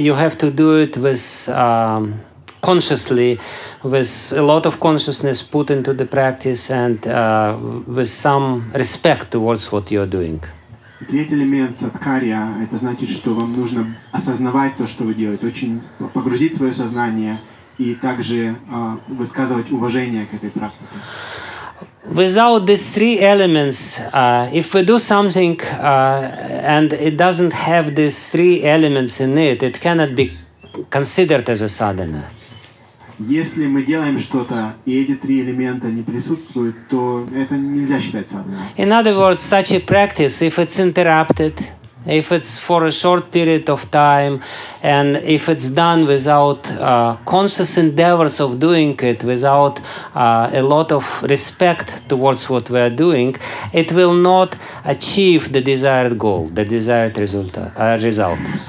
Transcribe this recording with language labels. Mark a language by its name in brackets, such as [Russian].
[English] You have to do it with consciously, with a lot of consciousness put into the practice and with some respect towards what you are doing. [Russian] Третий элемент садхкарья – это значит, что вам нужно осознавать то, что вы делаете, очень погрузить свое сознание и также высказывать уважение к этой практике. [English] Without these three elements, if we do something and it doesn't have these three elements in it, it cannot be considered as a sadhana. [Russian] Если мы делаем что-то, и эти три элемента не присутствуют, то это нельзя считать садханой. [English] In other words, such a practice, if it's interrupted, if it's for a short period of time, and if it's done without conscious endeavors of doing it, without a lot of respect towards what we are doing, it will not achieve the desired goal, the desired result.